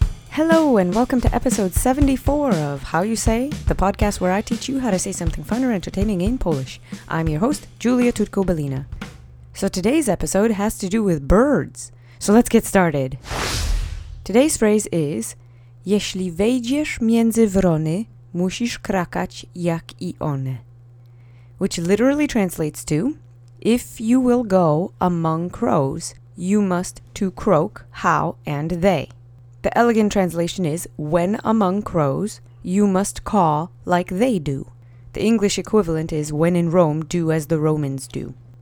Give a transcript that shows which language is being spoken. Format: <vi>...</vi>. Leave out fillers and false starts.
<en>Hello and welcome to episode 74 of How You Say, the podcast where I teach you how to say something fun or entertaining in Polish. I'm your host, Julia Tutko-Belina. So today's episode has to do with birds. So let's get started.</en> <pl>Today's phrase is, Jeśli wejdziesz między wrony, musisz krakać jak I one.</pl> <en>Which literally translates to, if you will go among crows, you must to croak how and they. The elegant translation is, when among crows, you must caw like they do. The English equivalent is, when in Rome, do as the Romans do.</en>